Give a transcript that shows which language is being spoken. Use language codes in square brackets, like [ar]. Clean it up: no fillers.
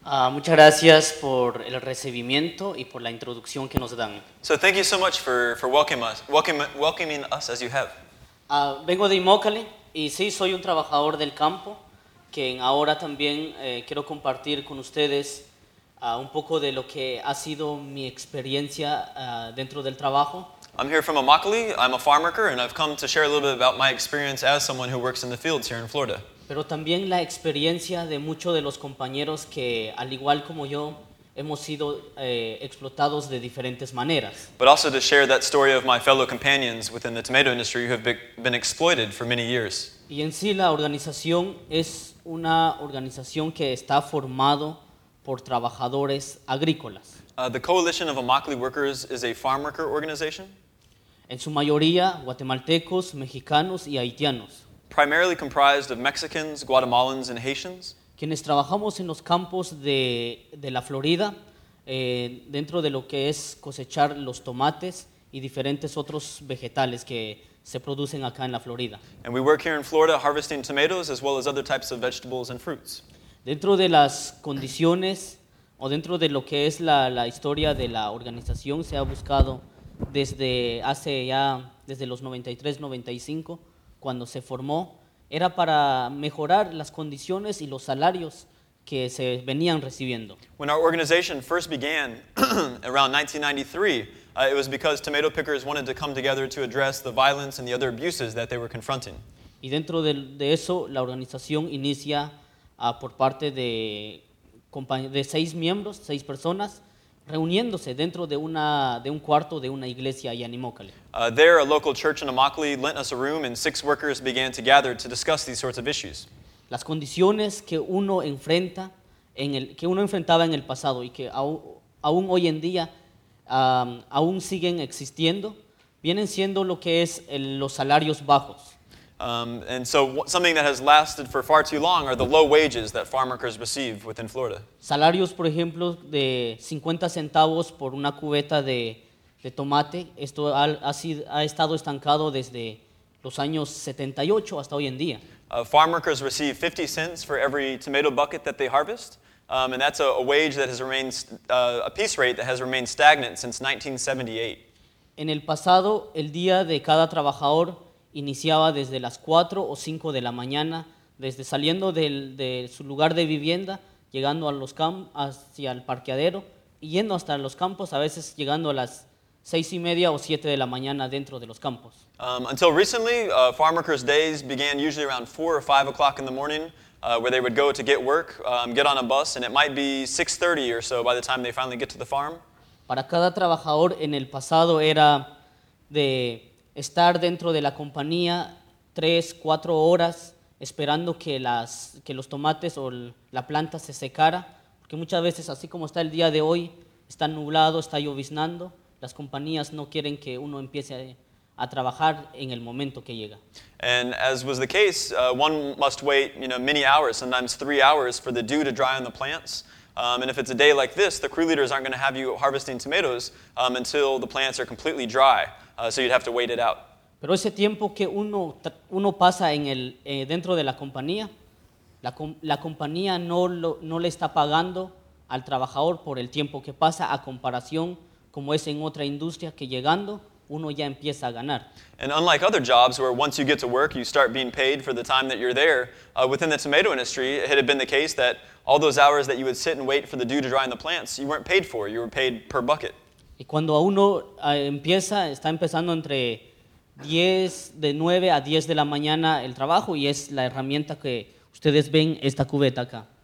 [es] Muchas gracias por el recibimiento y por la introducción que nos dan. [en] So thank you so much for welcoming us as you have. [es] Vengo de Immokalee y sí, soy un trabajador del campo, quien ahora también quiero compartir con ustedes un poco de lo que ha sido mi experiencia dentro del trabajo. [en] I'm here from Immokalee. I'm a farm worker, and I've come to share a little bit about my experience as someone who works in the fields here in Florida. [es] Pero también la experiencia de muchos de los compañeros que, al igual como yo, hemos sido explotados de diferentes maneras. [en] But also to share that story of my fellow companions within the tomato industry who have been exploited for many years. [es] Y en sí la organización es una organización que está formado por trabajadores agrícolas. [en] The Coalition of Immokalee Workers is a farm worker organization. [es] En su mayoría, guatemaltecos, mexicanos y haitianos. [en] Primarily comprised of Mexicans, Guatemalans, and Haitians. [es] Quienes trabajamos en los campos de la Florida, dentro de lo que es cosechar los tomates y diferentes otros vegetales que se producen acá en la Florida. [en] And we work here in Florida harvesting tomatoes as well as other types of vegetables and fruits. [es] Dentro de las condiciones o dentro de lo que es la historia de la organización se ha buscado desde hace ya, desde los 93-95, cuando se formó, era para mejorar las condiciones y los salarios que se venían recibiendo. [en] When our organization first began around 1993, it was because tomato pickers wanted to come together to address the violence and the other abuses that they were confronting. [es] Y dentro de eso, la organización inicia por parte de seis miembros, seis personas, reuniéndose dentro de un cuarto de una iglesia allá en Immokalee. [en] There, a local church in Immokalee lent us a room, and six workers began to gather to discuss these sorts of issues. [es] Las condiciones que uno enfrenta, que uno enfrentaba en el pasado y que aún hoy en día aún siguen existiendo, vienen siendo lo que es los salarios bajos. [en] And so something that has lasted for far too long are the low wages that farm workers receive within Florida. [es] Salarios, por ejemplo, de 50 centavos por una cubeta de tomate. Esto ha estado estancado desde los años 78 hasta hoy en día. [en] Farm workers receive 50 cents for every tomato bucket that they harvest. And that's a wage that has remained, a piece rate that has remained stagnant since 1978. [es] En el pasado, el día de cada trabajador iniciaba desde las 4 o 5 de la mañana, desde saliendo de su lugar de vivienda, llegando a los hacia el parqueadero, yendo hasta los campos, a veces llegando a las 6 y media o 7 de la mañana dentro de los campos. [en] Until recently, farm workers' days began usually around 4 or 5 o'clock in the morning, where they would go to get work, get on a bus, and it might be 6:30 or so by the time they finally get to the farm. [es] Para cada trabajador en el pasado era de estar dentro de la compañía 3-4 horas esperando que los tomates o la planta se secara, porque muchas veces, así como está el día de hoy, está nublado, está lloviznando, las compañías no quieren que uno empiece a trabajar en el momento que llega. [en] And as was the case, one must wait, you know, many hours, sometimes 3 hours, for the dew to dry on the plants. And if it's a day like this, the crew leaders aren't going to have you harvesting tomatoes until the plants are completely dry. So you'd have to wait it out. [es] Pero ese tiempo que uno pasa en el dentro de la compañía, la compañía no le está pagando al trabajador por el tiempo que pasa a comparación como es en otra industria que llegando uno ya empieza a ganar. [en] And unlike other jobs where once you get to work you start being paid for the time that you're there, within the tomato industry it had been the case that all those hours that you would sit and wait for the dew to dry on the plants, you weren't paid for, you were paid per bucket. [es] Y cuando uno empieza, está empezando entre 10, de 9 a 10 de la mañana el trabajo, y es la herramienta que ustedes ven, esta cubeta acá.